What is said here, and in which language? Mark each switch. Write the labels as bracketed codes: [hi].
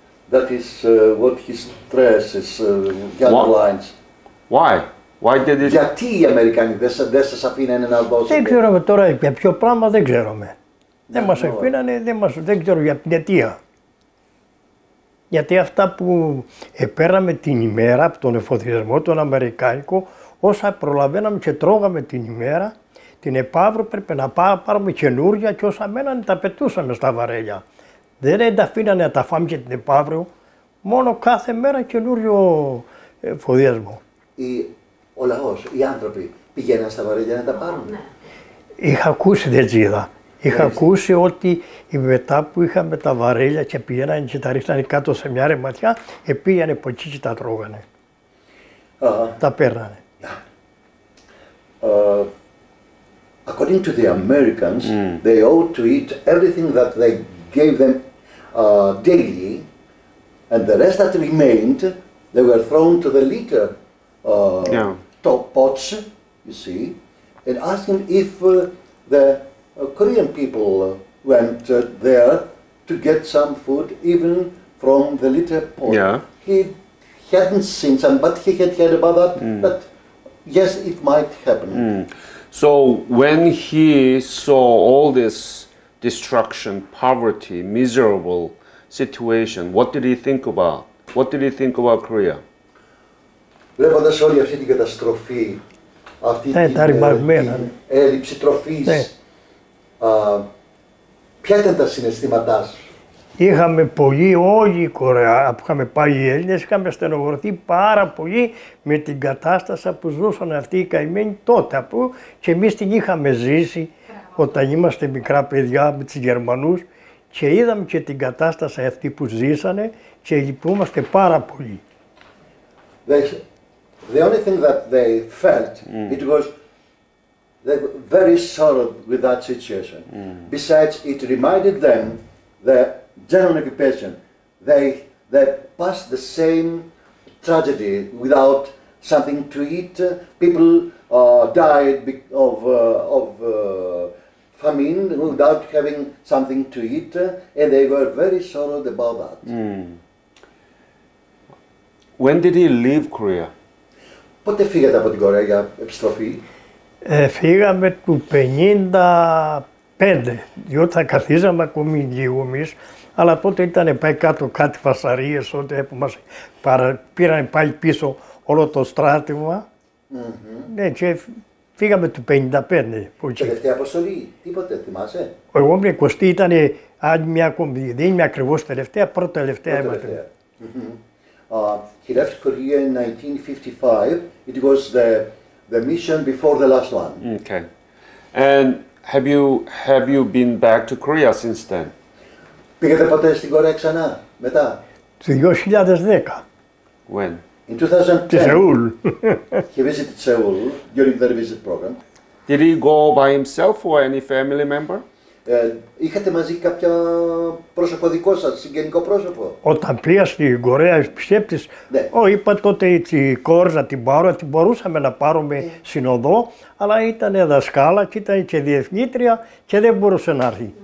[en] That is what he stresses, underlines. Why? Why did it... [el] Γιατί οι Αμερικανοί δεν σας αφήνανε να δώσετε. Δεν ξέρουμε τώρα για ποιο πράγμα, δεν ξέρουμε. Δεν μας αφήνανε, δεν ξέρω για την αιτία. Γιατί αυτά που επέραμε την ημέρα από τον εφοδιασμό τον Αμερικάνικο, όσα προλαβαίναμε και τρώγαμε την ημέρα, την επαύριο πρέπει να πάρουμε καινούργια και όσα μένανε τα πετούσαμε στα βαρέλια. Δεν τα αφήνανε να τα φάμε και την επαύριο, μόνο κάθε μέρα καινούργιο εφοδιασμό. ο λαός, οι άνθρωποι πηγαίναν στα βαρέλια για να τα πάρουν. Είχα ακούσει, δεν τ' είδα. Είχα ακούσει ότι μετά που είχαμε τα βαρέλια και πήγαιναν και τα ρίχνανε κάτω σε μια ρεματιά, πήγαινε από εκεί και τα τρώγανε. Τα παίρνανε. [en] According to the Americans, they ought to eat everything that they gave them daily, and the rest that remained, they were thrown to the litter top pots, you see, and asking if the Korean people went there to get some food, even from the litter pot. Yeah. He hadn't seen some, but he had heard about that, that yes, it might happen. So when he saw all this destruction, poverty, miserable situation, what did he think about? What did he think about Korea? [el] Βλέποντας όλη αυτή την καταστροφή, αυτή την έλλειψη τροφής, ποια ήταν τα συναισθήματά σου? Είχαμε πολύ, όλοι οι Κορεάτες που είχαμε πάει, οι Έλληνες, είχαμε στενοχωρηθεί πάρα πολύ με την κατάσταση που ζούσαν αυτοί οι καημένοι τότε, που και εμείς την είχαμε ζήσει όταν είμαστε μικρά παιδιά με τους Γερμανούς και είδαμε και την κατάσταση αυτή που ζήσανε και λυπούμαστε πάρα πολύ. [en] The only thing that they felt, it was they were very sorrowed with that situation. Besides, it reminded them the German occupation. They passed the same tragedy without something to eat. People died of famine without having something to eat, and they were very sorrowed about that. When did he leave Korea? [el] Πότε φύγατε από την Κορέα για επιστροφή? Φύγαμε του 55, διότι θα καθίζαμε ακόμη λίγο εμείς, αλλά τότε ήταν πάει κάτω κάτι φασαρίες, τότε που μας πήραν πάλι πίσω όλο το στράτημα. Ναι, και φύγαμε του 55. Τελευταία αποστολή, τίποτε, θυμάσαι? Εγώ με 20 ήταν άλλη μια ακόμη, δεν είμαι ακριβώς τελευταία, πρώτα τελευταία είμαστε. [en] He left Korea in 1955. It was the mission before the last one. Okay. And have you been back to Korea since then? [el] Πήγατε ποτέ στην Κορέα ξανά, μετά? Το 2010. [en] When? In 2010. To Seoul. He visited Seoul during the visit program. Did he go by himself or any family member? [el] Είχατε μαζί κάποιο πρόσωπο δικό σας, συγγενικό πρόσωπο? Όταν πήγα στην Κορέα, πιστεύτης, είπα τότε την κόρζα, την πάρουσα, την μπορούσαμε να πάρουμε συνοδό, αλλά ήταν δασκάλα και ήταν και διευθύντρια και δεν μπορούσε να έρθει.